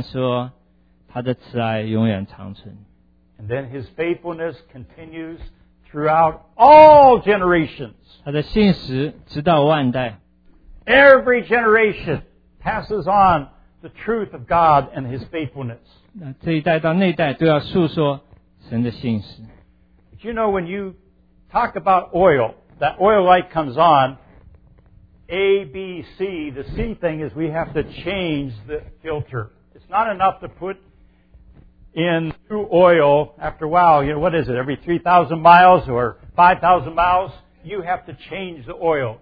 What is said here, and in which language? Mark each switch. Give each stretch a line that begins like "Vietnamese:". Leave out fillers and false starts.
Chinese: 也许我们在难处失恋里面，我们应该有一点这样的练习。我们一边说感谢神，他是美善，然后另一边说他的慈爱永远长存。
English: And then His faithfulness continues throughout all generations.
Chinese: 他的信实直到万代。
English: Every generation passes on the truth of God and His faithfulness.
Chinese: 这一代到那一代都要述说神的信实。
English: But you know, when you talk about oil, that oil light comes on, A, B, C, the C thing is we have to change the filter. It's not enough to put in new oil, after a while, you know, what is it, every 3,000 miles or 5,000 miles, you have to change the oil.